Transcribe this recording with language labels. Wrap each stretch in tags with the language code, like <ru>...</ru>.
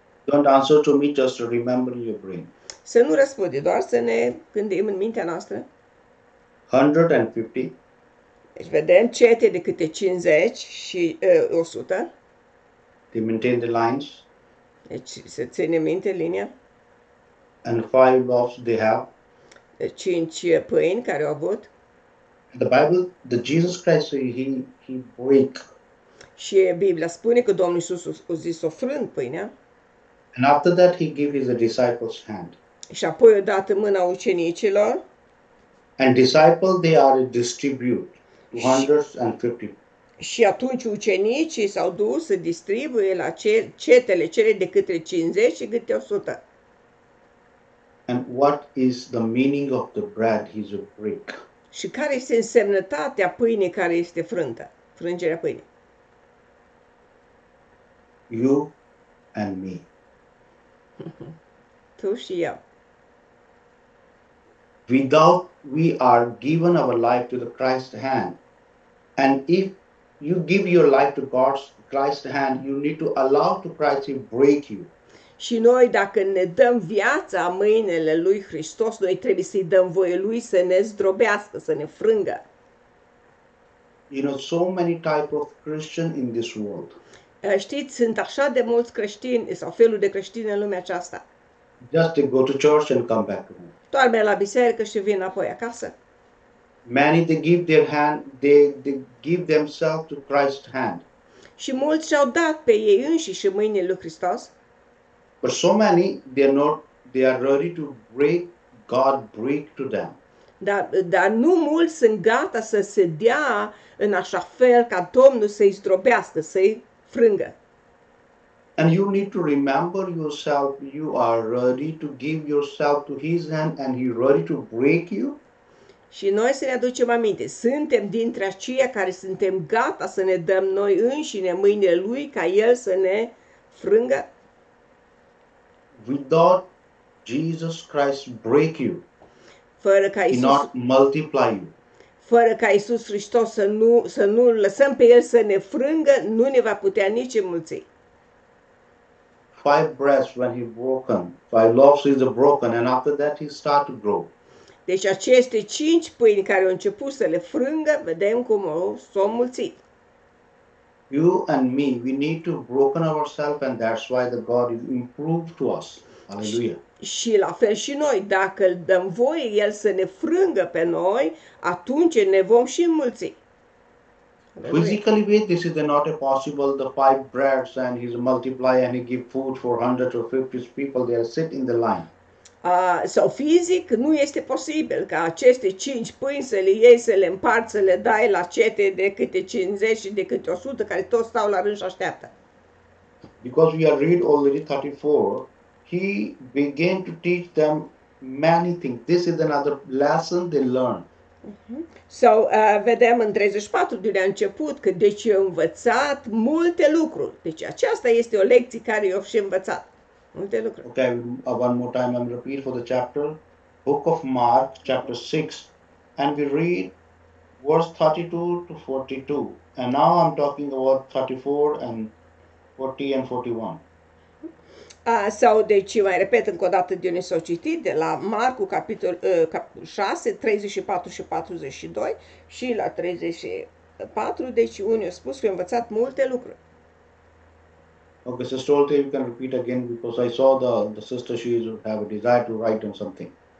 <en>Don't answer to me, just remember in your brain.</en> <ro>Să nu răspunde, doar să ne gândim în mintea noastră.</ro> <en>150.</en> <ro>Deci vedem cete de câte 50 și 100.</ro> <en>They maintain the lines.</en> <ro>Deci să ține minte linia.</ro> <en>And 5 loaves they have.</en> <ro>5 pâini care au avut.</ro> <en>The Bible, the Jesus Christ, he break.</en> <ro>Și Biblia spune că Domnul Iisus a zis ofrând pâinea.</ro> <en>And after that he gave his disciples hand.</en> <ro>Și apoi a dat mâna ucenicilor.</ro> <en>And disciples they are distribute 150.</en> <ro>Și atunci ucenicii s-au dus să distribuie la cetele cele de către 50 și câte 100.</ro> <en>And what is the meaning of the bread he's a break?</en> <ro>Și care este însemnătatea pâinii care este frântă? Frângerea pâinii.</ro> <en>You and me.</en> <ro>Tu și eu.</ro> <en>Without we are given our life to the Christ's hand. And if you give your life to God's Christ's hand, you need to allow to Christ to break you.</en> <ro>Și noi, dacă ne dăm viața în mâinile lui Hristos, noi trebuie să-i dăm voie lui să ne zdrobească, să ne frângă.</ro> <en>You know, so many type of Christian in this world.</en> <ro>Știți, sunt așa de mulți creștini, sau felul de creștini în lumea aceasta.</ro> <en>Just to go to church and come back home.</en> <ro>Doar merg la biserică și vin apoi acasă.</ro> <en>Many, they give their hand, they give themselves to Christ's hand.</en> <ro>Și mulți și-au dat pe ei înșiși în mâinile lui Hristos.</ro> <en>But so many, they are ready to break God break to them.</en> <ro>Dar nu mulți sunt gata să se dea în așa fel ca Domnul să-i zdrobească, să-i frângă.</ro> <en>And you need to remember yourself, you are ready to give yourself to His hand and He ready to break you.</en> <ro>Și noi să ne aducem aminte, suntem dintre aceia care suntem gata să ne dăm noi înșine mâinile Lui ca El să ne frângă.</ro> <en>Without Jesus Christ break you,</en> <ro>fără ca Iisus,</ro> <en>not multiply you.</en> <ro>Fără ca Iisus Hristos să nu lăsăm pe El să ne frângă, nu ne va putea nici înmulți.</ro> <en>5 breaths when he broken, 5 loaves is broken, and after that he start to grow.</en> <ro>Deci aceste cinci pâini care au început să le frângă, vedem cum s-au mulțit.</ro> <en>You and me, we need to broken ourselves and that's why the God is improved to us. Hallelujah.</en> <ro>Și la fel și noi, dacă îl dăm voie El să ne frângă pe noi, atunci ne vom și înmulți.</ro> <en>Physically, this is not a possible. The five breads and he's multiply and he give food for 100 or 50 people. They are sitting in the line. Sau fizic, nu este posibil ca aceste cinci pâini să le iei, să le împarți, să le dai la cete de câte 50 și de câte 100 care toți stau la rând și așteaptă. Because we are read already 34, he began to teach them many things. This is another lesson they learned.</en> <ro>Vedem în 34 de la început că deci au învățat multe lucruri. Deci aceasta este o lecție care i-au și învățat. Multe lucruri.</ro> <en>Okay, one more time I'm repeat for the chapter. Book of Mark, chapter 6. And we read verse 32 to 42. And now I'm talking about 34 and 40 and 41.</en> <ro>Deci mai repet încă o dată din s-au citit de la Marcu capitolul 6, 34 și 42 și la 34, deci unii au spus că au învățat multe lucruri.</ro> <en>Okay, sister Olte, you can repeat again because I saw the sister, she have a desire to write on something.</en>